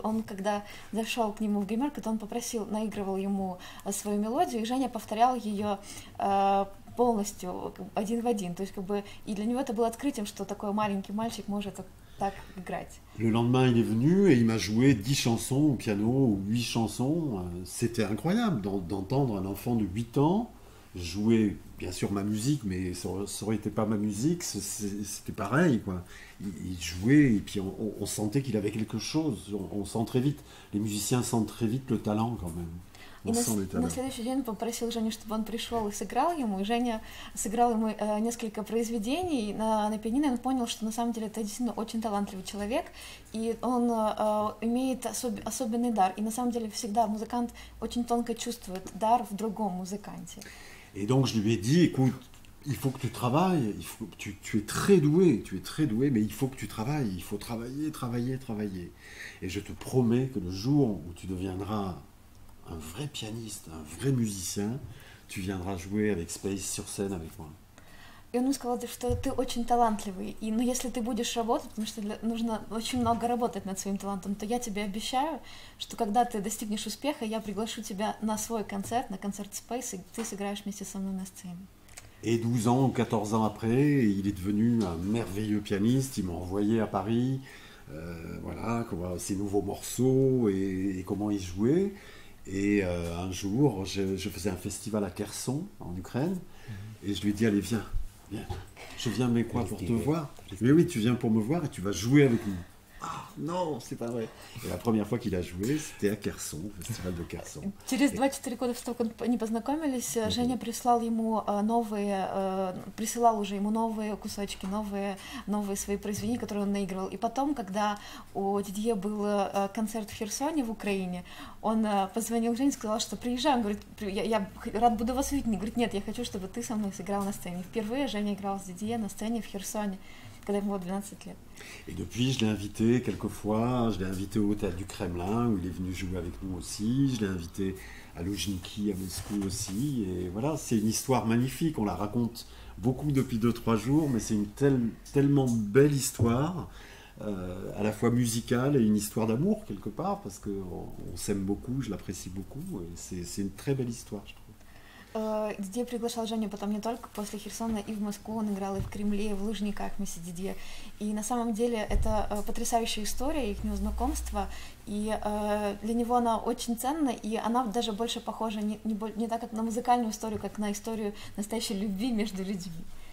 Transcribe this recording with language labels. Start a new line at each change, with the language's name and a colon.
Russian: Он, когда зашел к нему в гримерку, то он попросил, наигрывал ему свою мелодию, и Женя повторял ее полностью, один в один. То есть, как бы, и для него это было открытием, что такой маленький мальчик может так играть.
French: Le lendemain, il est venu, et il m'a joué 10 chansons au piano, 8 chansons. C'était incroyable d'entendre un enfant de 8 ans jouer... Bien sûr, ma musique, mais ça aurait été pas ma musique, c'était pareil, quoi. Il jouait, et puis on sentait qu'il avait quelque chose. On sent très vite, les musiciens sentent très vite le talent, quand même.
Russian: На следующий день попросил Женю, чтобы он пришел и сыграл ему. И Женя сыграл ему несколько произведений на пианино. И он понял, что на самом деле это действительно очень талантливый человек. И он имеет особенный дар. И на самом деле всегда музыкант очень тонко чувствует дар в другом музыканте.
French: Et donc je lui ai dit, écoute, il faut que tu travailles, il faut, tu es très doué, mais il faut que tu travailles, il faut travailler. Et je te promets que le jour où tu deviendras un vrai pianiste, un vrai musicien, tu viendras jouer avec Space sur scène avec moi.
Russian: И он мне сказал, что ты очень талантливый, и ну, если ты будешь работать, потому что нужно очень много работать над своим талантом, то я тебе обещаю, что когда ты достигнешь успеха, я приглашу тебя на свой концерт, на концерт Space, и ты сыграешь вместе со мной на сцене.
French: Et 12 ans ou 14 ans après, il est devenu un merveilleux pianiste. Il m'a envoyé à Paris voilà, ses nouveaux morceaux et comment il jouait. Et un jour, je faisais un festival à Kherson, en Ukraine. Et je lui ai dit, allez, viens, viens. Je viens, mais quoi, pour te voir. Mais oui, tu viens pour me voir et tu vas jouer avec nous. Ah, non, c'est pas vrai. Et la première fois qu'il a joué, c'était à Kherson, au festival de Kherson.
Russian: Через 24 года, после того, как они познакомились, Женя прислал ему новые, присылал уже ему новые кусочки, новые свои произведения, которые он наигрывал. И потом, когда у Дидье был концерт в Херсоне, в Украине, он позвонил Жене и сказал, что приезжай. Он говорит, я рад буду вас видеть. Он говорит, нет, я хочу, чтобы ты со мной сыграл на сцене. Впервые Женя играл с Дидье на сцене в Херсоне.
French: Quand il avait 12 ans. Et depuis, je l'ai invité quelques fois. Je l'ai invité au théâtre du Kremlin, où il est venu jouer avec nous aussi. Je l'ai invité à Loujniki, à Moscou aussi. Et voilà, c'est une histoire magnifique. On la raconte beaucoup depuis 2-3 jours, mais c'est une tellement belle histoire, à la fois musicale et une histoire d'amour, quelque part, parce qu'on s'aime beaucoup, je l'apprécie beaucoup. Et c'est une très belle histoire, je trouve.
Russian: Дидье приглашал Женю потом не только после Херсона, и в Москву он играл, и в Кремле, и в Лужниках вместе с Дидье. И на самом деле это потрясающая история, их знакомство, и для него она очень ценна, и она даже больше похожа не так как на музыкальную историю, как на историю настоящей любви между людьми.